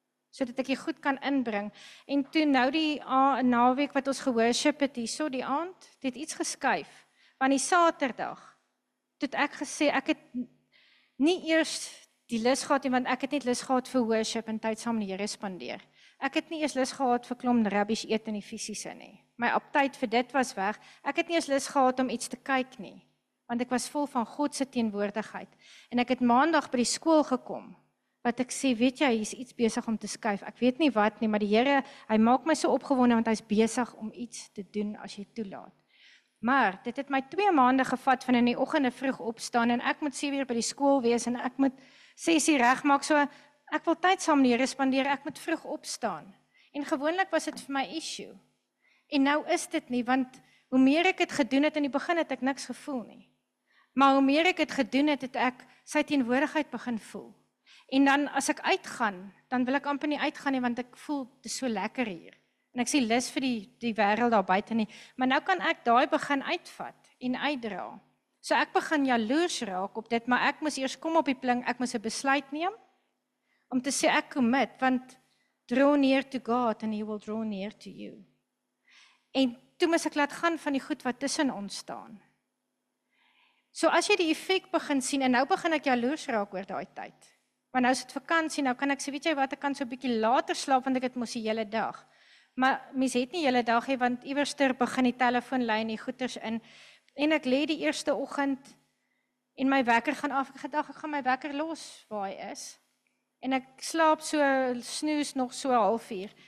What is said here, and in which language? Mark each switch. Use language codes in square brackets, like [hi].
[af] Sodat ek dit goed kan inbring. En toe nou die naweek wat ons gehoorship het hierso die aand, dit iets geskuif. Want die Saterdag toe ek gesê ek het nie eers die lus gehad nie, want ek het net lus gehad vir worship en tyd saam met die Here spandeer. Ek het nie eers lus gehad vir klomp rubbish eet in die fisiese nie. My aptyd vir dit was weg. Ek het nie eens lus gehad om iets te kyk nie, want ek was vol van God se teenwoordigheid. En ek het Maandag by die skool gekom, wat ek sê, weet jy, hier's iets besig om te skuif. Ek weet nie wat nie, maar die Here, hy maak my so opgewonde want hy's besig om iets te doen as jy toelaat. Maar dit het my 2 maande gevat van in die oggende vroeg opstaan en ek moet 7 uur by die skool wees en ek moet 6 uur regmaak. So ek wil tyd saam met die Here spandeer, ek moet vroeg opstaan. En gewoonlik was dit vir my issue. En nou is dit nie, want hoe meer ek het gedoen het, in die begin het ek niks gevoel nie. Maar hoe meer ek het gedoen het, het ek sy teenwoordigheid begin voel. En dan as ek uitgaan, dan wil ek amper nie uitgaan nie, want ek voel dit is so lekker hier. En ek sien lus vir die wêreld daar buite nie. Maar nou kan ek daai begin uitvat en uitdra. So ek begin jaloers raak op dit, maar ek moes eers kom op die pling, ek moes 'n besluit neem om te sê ek commit, want [en] draw near to God and he will draw near to you. [af] En toe moes ek laat gaan van die goed wat tussen ons staan. So as jy die effek begin sien, en nou begin ek jaloers raak oor daai tyd. Want nou is dit vakansie, nou kan ek sê, weet jy wat, ek kan so 'n bietjie later slaap, want ek het mos die hele dag. Maar mens het nie die hele dag nie, want iewerster begin die telefoon lei en die goeders in. En ek lê die eerste oggend en my wekker gaan af. Ek gedag, ek gaan my wekker los waar hy is. En ek slaap so, snoes nog so 0.5 uur.